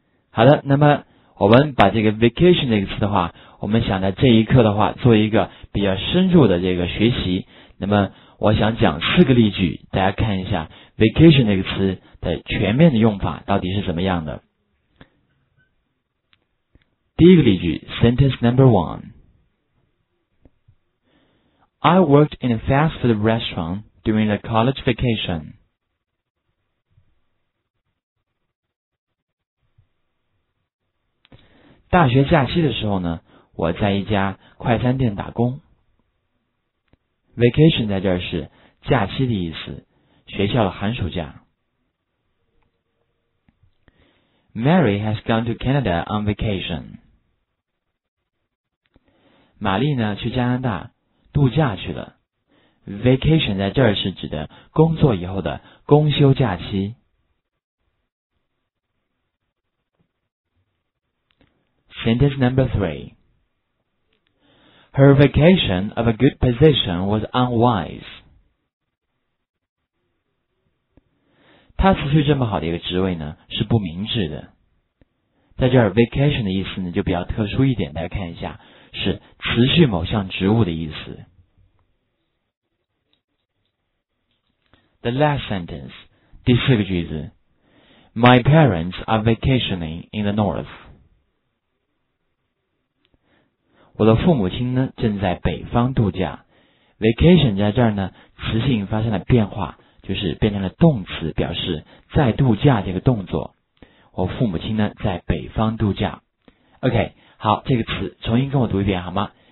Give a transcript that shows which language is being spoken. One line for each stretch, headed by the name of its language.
Chinese: 好的，那么我们把这个 vacation 这个词的话，我们想在这一课的话做一个比较深入的这个学习。那么我想讲四个例句，大家看一下 vacation 这个词的全面的用法到底是怎么样的。第一个例句 ,
English: sentence number one。 I worked in a fast food restaurant during the college vacation.
Chinese: 大学假期的时候呢，我在一家快餐店打工。 Vacation 在这儿是假期的意思，学校的寒暑假。
English: Mary has gone to Canada on vacation.
Chinese: 玛丽呢，去加拿大度假去了。Vacation 在这儿是指的工作以后的公休假期。
English: Sentence number three. Her vacation of a good position was unwise.
Chinese: 她辞去这么好的一个职位呢，是不明智的。在这儿 vacation 的意思呢，就比较特殊一点，大家看一下，是辞去某项职务的意思。
English: The last sentence.
Chinese: 第四个句子。
English: My parents are vacationing in the north.
Chinese: 我的父母亲呢正在北方度假。vacation 在这儿呢词性发生了变化，就是变成了动词，表示在度假这个动作。我父母亲呢在北方度假。OK， 好，这个词重新跟我读一遍好吗？